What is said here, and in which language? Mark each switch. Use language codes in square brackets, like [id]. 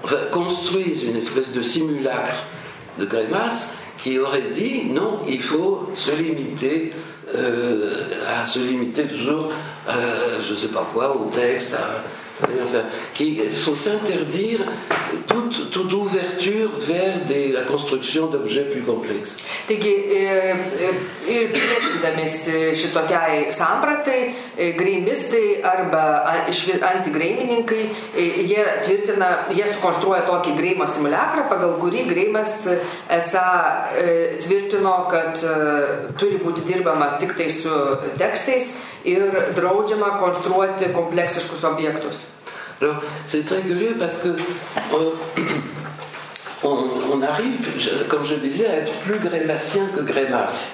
[fr] construisent une espèce de simulacre de grémace qui aurait dit non, il faut se limiter à se limiter toujours je sais pas quoi au texte enfin qu'il faut s'interdire toute ouverture vers la construction d'objets plus complexes. [lt] Taigi, ir priešindamis šitokiai sampratai, greimistai arba antigreimininkai, jie tvirtina, jie sukonstruoja tokį greimo simuliakrą, pagal kurį greimas esą tvirtino, kad turi būti dirbama tik tai su tekstais ir draudžiama konstruoti kompleksiškus objektus. [fr] Alors, c'est très curieux parce que on arrive, comme je disais, à être plus grémacien que grémas.